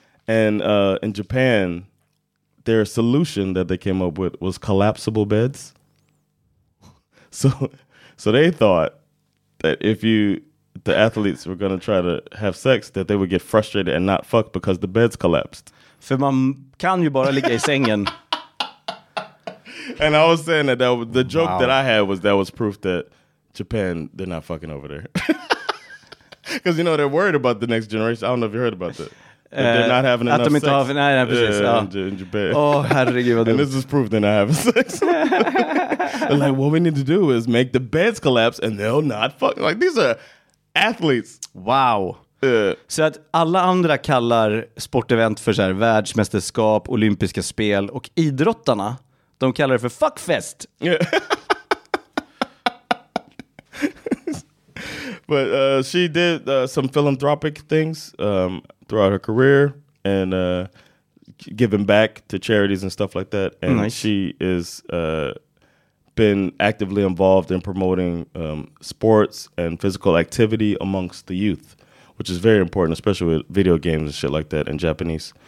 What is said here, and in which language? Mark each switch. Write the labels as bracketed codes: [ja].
[en] And in Japan, their solution that they came up with was collapsible beds. So they thought that the athletes were going to try to have sex, that they would get frustrated and not fuck because the beds collapsed. [sv] För man kan ju bara ligga i sängen. [en] And I was saying that the joke that I had was that was proof that Japan, they're not fucking over there. Because, you know, they're worried about the next generation. I don't know if you heard about that. They're not having enough sex. In Japan. [sv] Oh, herregud. [en] And this is proof they're not having sex. And like, what we need to do is make the beds collapse and they'll not fuck. Like, these are athletes. Wow. [sv] Så att alla andra kallar sportevent för så här världsmästerskap, olympiska spel. Och idrottarna, de kallar det för fuckfest. [en] Yeah. But she did some philanthropic things throughout her career and giving back to charities and stuff like that. And she is been actively involved in promoting sports and physical activity amongst the youth, which is very important, especially with video games and shit like that in Japanese.